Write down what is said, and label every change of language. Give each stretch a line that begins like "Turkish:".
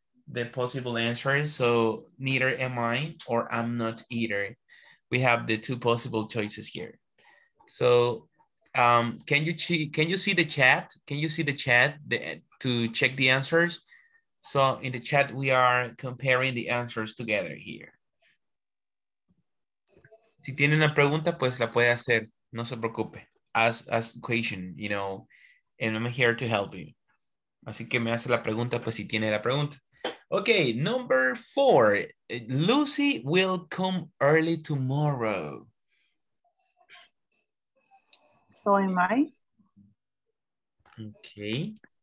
English: The possible answers. So neither am I or I'm not either. We have the two possible choices here. So can you see the chat? Can you see the chat to check the answers? So in the chat, we are comparing the answers together here.
Spanish: Si tiene una pregunta, pues la puede hacer. No se preocupe.
English: Ask a question, you know, and I'm here to help you.
Spanish: Así que me hace la pregunta, pues si tiene la pregunta.
English: Okay, number four. Lucy will come early tomorrow. So am I. Okay.